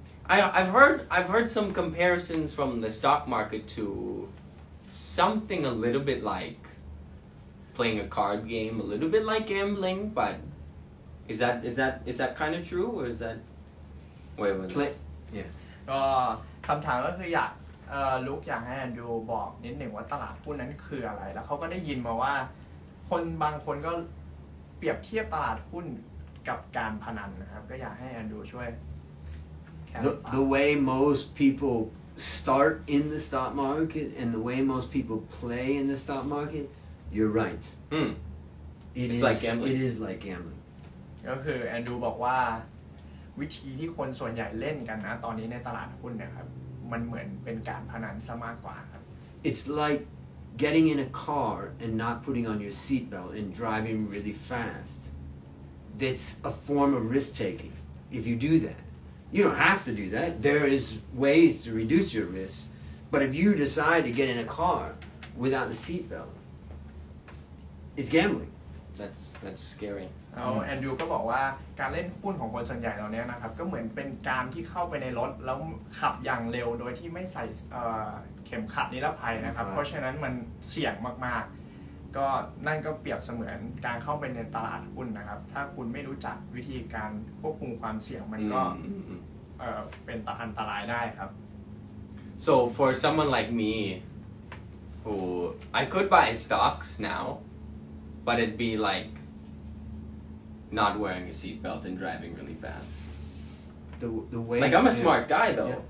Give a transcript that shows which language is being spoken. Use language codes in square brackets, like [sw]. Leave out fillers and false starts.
[en] I've heard some comparisons from the stock market to something a little bit like playing a card game, a little bit like gambling. But is that kind of true, or is that? Wait, yeah. [th] ก็คำถามก็คืออยากลุกอยากให้แอนดูบอกนิดหนึ่งว่าตลาดหุ้นนั้นคืออะไรแล้วเขาก็ได้ยินมาว่าคนบางคนก็เปรียบเทียบตลาดหุ้นกับการพนันนะครับก็อยากให้แอนดูช่วย [en] The way most people start in the stock market and the way most people play in the stock market, you're right. It is like gambling. [th] ก็คือแอนดูบอกว่าวิธีที่คนส่วนใหญ่เล่นกันนะตอนนี้ในตลาดหุ้นนะครับมันเหมือนเป็นการพนันซะมากกว่าครับ [en] It's like getting in a car and not putting on your seatbelt and driving really fast. That's a form of risk taking. If you do that, you don't have to do that. There is ways to reduce your risk. But if you decide to get in a car without the seatbelt, it's gambling. That's scary. [th] แอนดูก็บอกว่าการเล่นหุ้นของคนส่วนใหญ่เราเนี้ยนะครับก็เหมือนเป็นการที่เข้าไปในรถแล้วขับอย่างเร็วโดยที่ไม่ใส่เข็มขัดนิรภัยนะครับเพราะฉะนั้นมันเสี่ยงมากๆก็นั่นก็เปรียบเสมือนการเข้าไปในตลาดหุ้นนะครับถ้าคุณไม่รู้จักวิธีการควบคุมความเสี่ยงมันก็เป็นอันตรายได้ครับ [en] So for someone like me who I could buy stocks now but it'd be like not wearing a seatbelt and driving really fast. The way like I'm a smart guy though.